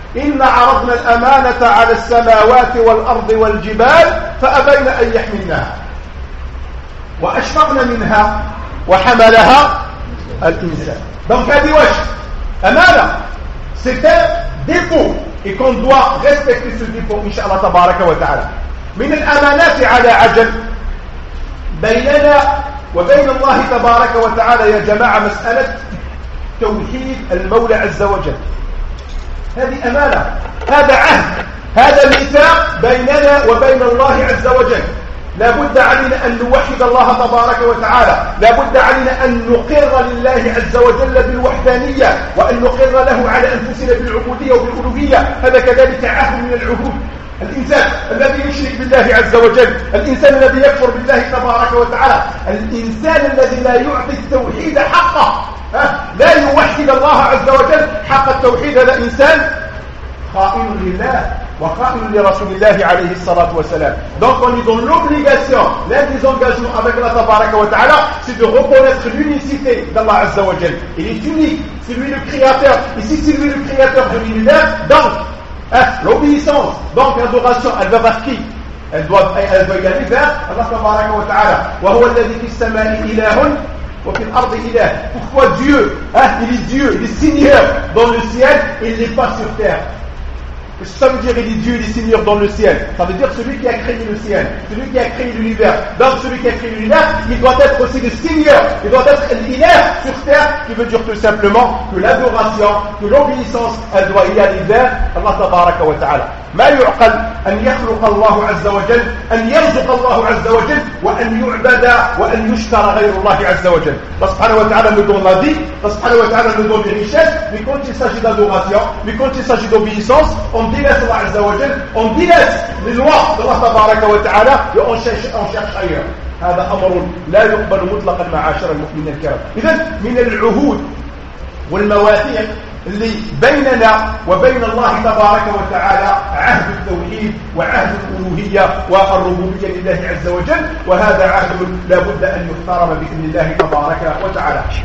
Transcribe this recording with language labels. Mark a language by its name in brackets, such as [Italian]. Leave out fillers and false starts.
[Arabic] إنا عرضنا الأمانة على السماوات والأرض والجبال فأبين أن يحملنها وأشفقنا منها وحملها الإنسان. [French] Donc [Arabic] هذه واش أمانة [French] c'est un dépôt et qu'on doit respecter ce dépôt إن شاء الله تبارك وتعالى. [Arabic] من الأمانات على عجل بيننا وبين الله تبارك وتعالى يا جماعة مسألة توحيد المولى عز وجل. هذه أمانة، هذا عهد، هذا ميثاق بيننا وبين الله عز وجل. لا بد علينا أن نوحد الله تبارك وتعالى، لا بد علينا أن نقر لله عز وجل بالوحدانية وأن نقر له على أنفسنا بالعبودية وبالألوهية. هذا كذلك عهد من العهود. الإنسان الذي يشرك بالله عز وجل، الإنسان الذي يكفر بالله تبارك وتعالى، الإنسان الذي لا يعطي التوحيد حقه، لا يوحد الله عز وجل حق التوحيد، هذا إنسان خائن لله وخائن لرسول الله عليه الصلاة والسلام. [French] Donc on est dans l'obligation, l'un des engagements avec Allah تبارك وتعالى, c'est de reconnaître l'unicité d'Allah عز وجل. Il est unique, c'est lui le créateur. Et si c'est lui le créateur de l'univers, donc l'obéissance, donc l'adoration, elle va vers qui? Elle doit y aller vers Allah تبارك وتعالى. [Arabic] وهو الذي في السماء إله [French] pourquoi Dieu hein, il est seigneur dans le ciel et il n'est pas sur terre. Qu'est-ce que ça veut dire il est Dieu, il est seigneur dans le ciel? Ça veut dire celui qui a créé le ciel, celui qui a créé l'univers. Donc celui qui a créé l'univers, il doit être aussi le seigneur, il doit être l'ilah sur terre, qui veut dire tout simplement que l'adoration, que l'obéissance, elle doit y aller vers Allah tabaraka wa ta'ala. [Arabic] ما يعقل أن يخلق الله عز وجل أن يرزق الله عز وجل وأن يعبد وأن يشترى غير الله عز وجل. [French] الله سبحانه وتعالى nous donne la vie, الله سبحانه وتعالى nous donne les richesses, mais quand il s'agit d'adoration, mais quand il s'agit d'obéissance, on délaisse الله عز وجل, on délaisse les lois de الله تبارك وتعالى et on cherche ailleurs. [Arabic] هذا أمر لا يقبل مطلقا معاشر المؤمنين الكرام. إذن من العهود والمواثيق اللي بيننا وبين الله تبارك وتعالى عهد التوحيد وعهد الألوهية والربوبية لله عز وجل، وهذا عهد لا بد أن يحترم بإذن الله تبارك وتعالى.